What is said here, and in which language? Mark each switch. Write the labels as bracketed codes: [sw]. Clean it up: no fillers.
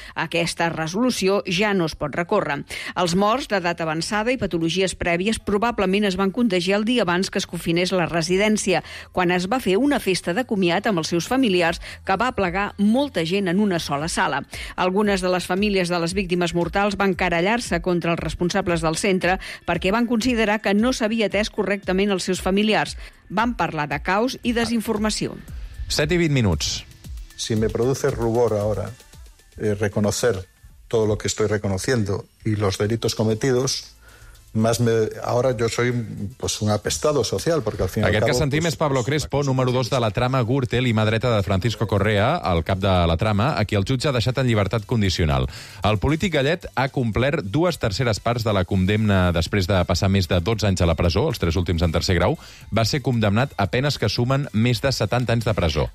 [ca] Aquesta resolució ja no es pot recórrer. Els morts d'edat avançada i patologies prèvies probablement es van contagiar el dia abans que es confinés la residència, quan es va fer una festa de comiat amb els seus familiars que va aplegar molta gent en una sola sala. Algunes de les famílies de les víctimes mortals van querellar-se contra els responsables del centre perquè van considerar que no s'havia atès correctament els seus familiars. Van parlar de caos i desinformació. 7 i 20 minuts. [es] Si me produce rubor ahora reconocer todo lo que estoy reconociendo y los delitos cometidos... Ahora yo soy pues, un apestado social, porque al fin y al cabo... [ca] Aquest que sentim és Pablo Crespo, número 2 de la trama Gürtel i mà dreta de Francisco Correa, el cap de la trama, a qui el jutge ha deixat en llibertat condicional. El polític gallet ha complert dues terceres parts de la condemna després de passar més de 12 anys a la presó, els tres últims en tercer grau. Va ser condemnat a penes que sumen més de 70 anys de presó.